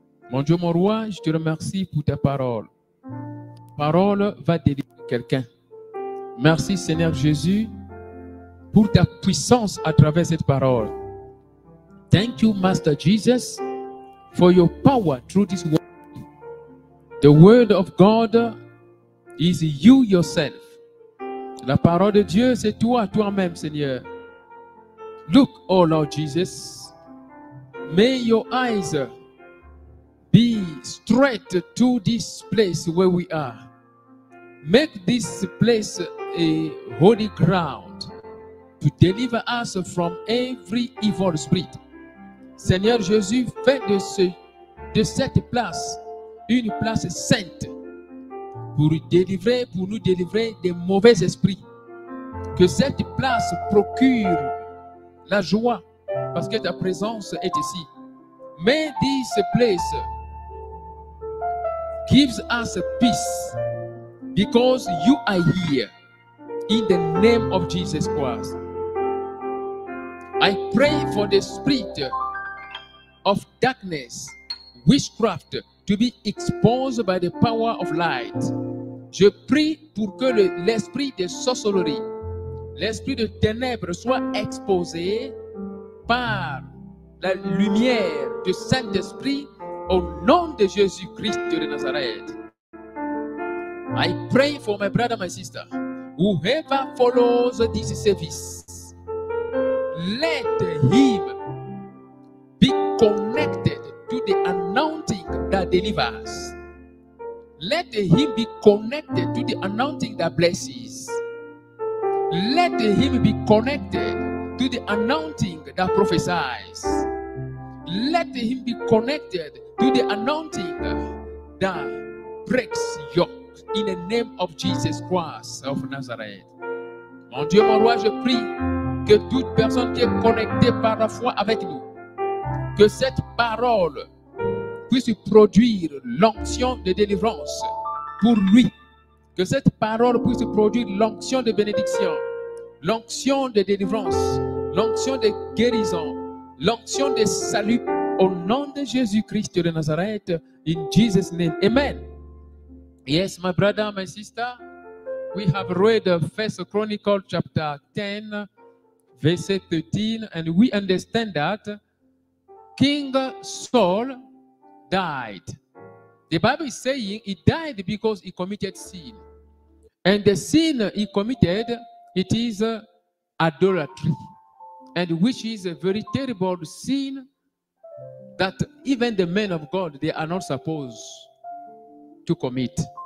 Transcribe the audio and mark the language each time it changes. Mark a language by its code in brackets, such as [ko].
[fr] Mon Dieu, mon roi, je te remercie pour ta parole. Parole va délivrer quelqu'un. Merci Seigneur Jésus pour ta puissance à travers cette parole. [en] Thank you Master Jesus for your power through this word. The word of God is you yourself. [fr] La parole de Dieu c'est toi-même Seigneur. [en] Look, oh Lord Jesus, may your eyes be straight to this place where we are. Make this place a holy ground to deliver us from every evil spirit. [fr] Seigneur Jésus, fais de cette place une place sainte pour nous délivrer des mauvais esprits, que cette place procure la joie parce que ta présence est ici. [en] May this place gives us peace because you are here in the name of Jesus Christ. I pray for the spirit of darkness, witchcraft, to be exposed by the power of light. [fr] Je prie pour que l'esprit de sorcellerie, l'esprit de ténèbres soit exposé par la lumière du Saint-Esprit au nom de Jésus-Christ de Nazareth. [en] I pray for my brother, my sister, whoever follows this service, let him be connected to the anointing that delivers. Let him be connected to the anointing that blesses. Let him be connected to the anointing that prophesies. Let him be connected to the anointing that breaks yokes in the name of Jesus Christ of Nazareth. [fr] Mon Dieu, mon roi, je prie que toute personne qui est connectée par la foi avec nous, que cette parole puisse produire l'onction de délivrance pour lui. Que cette parole puisse produire l'onction de bénédiction, l'onction de délivrance, l'onction de guérison, l'onction de salut au nom de Jésus-Christ de Nazareth, [en] in Jesus' name. Amen. Yes, my brother, my sister, we have read 1 Chronicles chapter 10, verse 13, and we understand that King Saul died. The Bible is saying he died because he committed sin. And the sin he committed, it is idolatry, and which is a very terrible sin that even the men of God, they are not supposed to commit.